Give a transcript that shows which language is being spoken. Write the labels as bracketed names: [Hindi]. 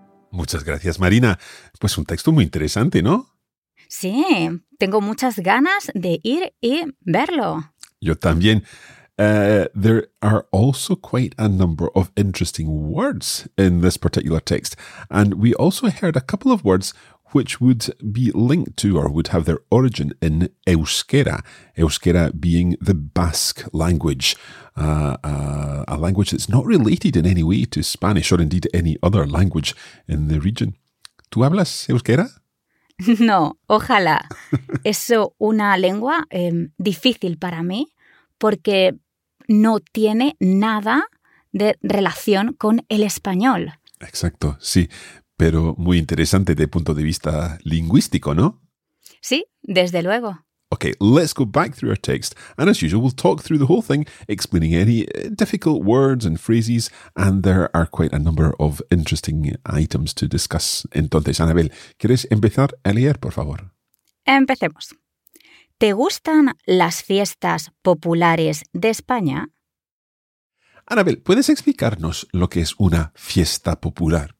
[Spanish] Muy Muchas gracias, Marina. Pues un texto muy interesante, ¿no? Sí, tengo muchas ganas de ir y verlo. Yo también. [English] There are also quite a number of interesting words in this particular text. And we also heard a couple of words which would be linked to or would have their origin in euskera. Euskera being the Basque language, a language that's not related in any way to Spanish or indeed any other language in the region. [Spanish] ¿Tú hablas euskera? No, ojalá. Es una lengua difícil para mí porque no tiene nada de relación con el español. Exacto, sí. Pero muy interesante desde el punto de vista lingüístico, ¿no? Sí, desde luego. [English] Okay, let's go back through our text. And as usual, we'll talk through the whole thing, explaining any difficult words and phrases. And there are quite a number of interesting items to discuss. [Spanish] Entonces, Anabel, ¿quieres empezar a leer, por favor? Empecemos. ¿Te gustan las fiestas populares de España? Anabel, ¿puedes explicarnos lo que es una fiesta popular?